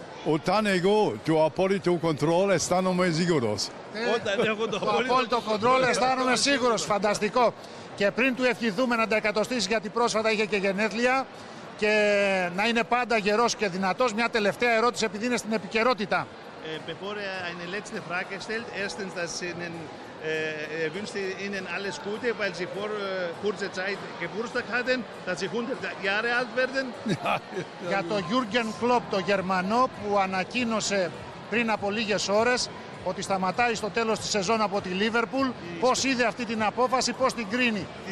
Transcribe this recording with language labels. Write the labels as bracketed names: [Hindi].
[Greek] Όταν εγώ το απόλυτο κοντρόλ αισθάνομαι σίγουρος. Όταν έχω το απόλυτο κοντρόλ αισθάνομαι σίγουρος. Φανταστικό. Και πριν του ευχηθούμε να τα εκατοστήσει, γιατί πρόσφατα είχε και γενέθλια, και να είναι πάντα γερός και δυνατός, μια τελευταία ερώτηση, επειδή είναι στην επικαιρότητα. [German] Bevor er eine letzte Frage stellt, erstens, dass Ihnen, er wünscht Ihnen alles Gute, weil Sie vor kurzer Zeit Geburtstag hatten, dass Sie 100 Jahre alt werden. [Greek] Για το Jürgen Klopp, το Γερμανό, που ανακοίνωσε πριν από λίγες ώρες ότι σταματάει στο τέλος της σεζόν από τη Λίβερπουλ, πώς είδε αυτή την απόφαση, πώς την κρίνει?